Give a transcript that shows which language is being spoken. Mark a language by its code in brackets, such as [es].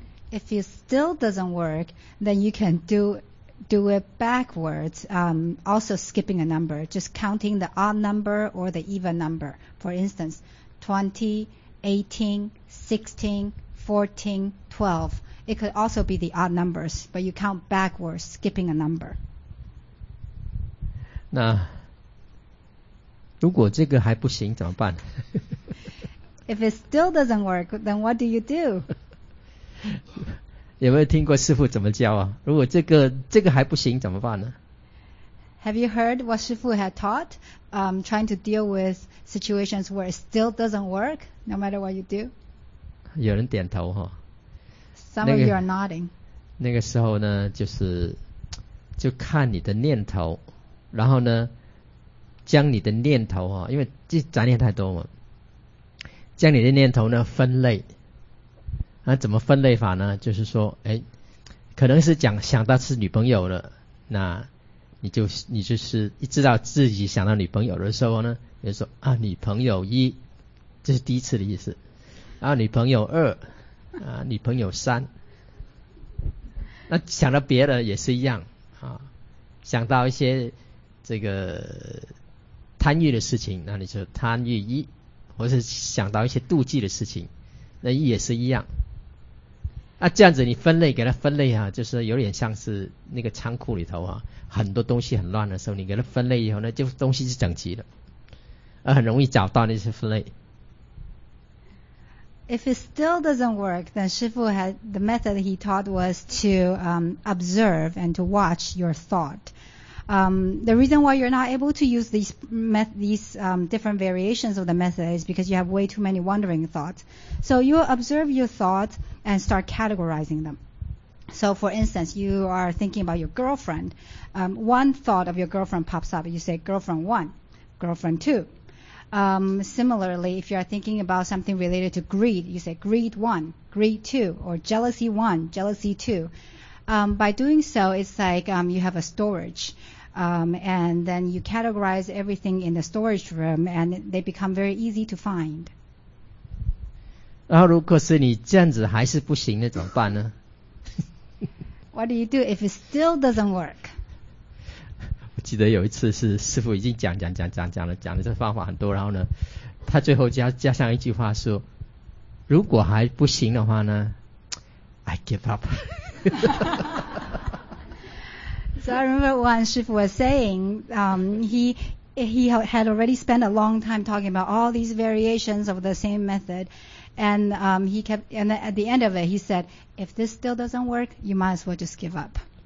[en] If it still doesn't work, then you can do it backwards, also skipping a number, just counting the odd number or the even number. For instance, 20, 18, 16, 14, 12. It could also be the odd numbers, but you count backwards, skipping a number. [zh] 那如果这个还不行怎么办？ [en] If it still doesn't work, then what do you do? [zh] 有没有听过师父怎么教啊？如果这个还不行怎么办呢？ [en] Have you heard what Shifu had taught? Trying to deal with situations where it still doesn't work, no matter what you do? [zh] 有人点头哈。 [en] Some of you are nodding. [zh] 那个时候呢，就看你的念头，然后呢，将你的念头哈，因为这杂念太多嘛，将你的念头呢分类。那怎么分类法呢？就是说，可能是想到是女朋友了，那你就是一知道自己想到女朋友的时候呢，就说啊，女朋友一，这是第一次的意思。然后女朋友二，啊，女朋友三，那想到别的也是一样啊，想到一些这个贪欲的事情，那你就贪欲一，或是想到一些妒忌的事情，那也是一样。啊，这样子你分类给它分类啊，就是有点像是那个仓库里头啊，很多东西很乱的时候，你给它分类以后呢，就东西是整齐的，而很容易找到那些分类。 [en] If it still doesn't work, then Shifu had the method he taught was to observe and to watch your thought. The reason why you're not able to use these different variations of the method is because you have way too many wandering thoughts. So you observe your thoughts and start categorizing them. So for instance, you are thinking about your girlfriend. One thought of your girlfriend pops up. You say, girlfriend one, girlfriend two. Similarly, if you are thinking about something related to greed, you say greed one, greed two, or jealousy one, jealousy two. By doing so, it's like you have a storage, and then you categorize everything in the storage room, and they become very easy to find. [zh] 然后如果是你这样子还是不行，那怎么办呢？ [en] What do you do if it still doesn't work? [zh] 记得有一次是师父已经讲了这方法很多，然后呢他最后加上一句话说，如果还不行的话呢， [en] I give up. So I remember when Shifu was saying he had already spent a long time talking about all these variations of the same method, and he kept, and at the end of it he said, if this still doesn't work, you might as well just give up.